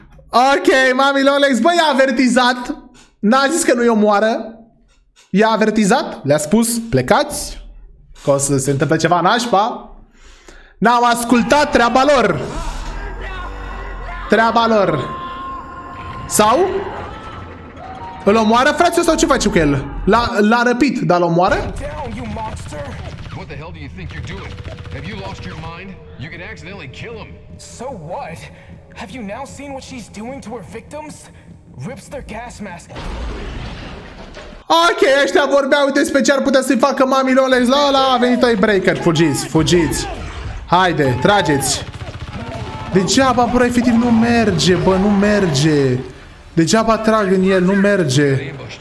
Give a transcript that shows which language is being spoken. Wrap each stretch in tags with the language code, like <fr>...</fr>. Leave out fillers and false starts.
<ro>Ok, Mami Long Legs. Bă, i-a avertizat. N-a zis că nu-i omoară. I-a avertizat. Le-a spus, plecați. Că o să se întâmple ceva nașpa. N-au ascultat treaba lor. Treaba lor. Sau? Îl omoară, frate, sau ce face cu el? L-a răpit, dar l-omoară?</ro> <en>What the hell do you think you're doing? Have you lost your mind? You could accidentally kill him. So what? Have you now seen what she's doing to her victims? Rips their gas mask.</en> <ro>Ok, ăștia vorbeau despre ce ar putea să-i facă Mami Long Legs. La ăla a venit Toy Breaker. Fugiți, fugiți. Haide, trageți. Degeaba, bro, efectiv nu merge, bă, nu merge. Degeaba trag în el, nu merge.</ro>